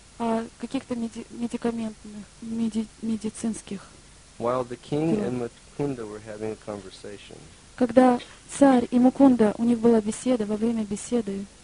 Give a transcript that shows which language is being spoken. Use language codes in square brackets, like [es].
[ru] О каких-то медикаментных, медицинских. [en] While the king and Mukunda were having a conversation, [ru] когда царь и Мукунда, у них была беседа, во время беседы,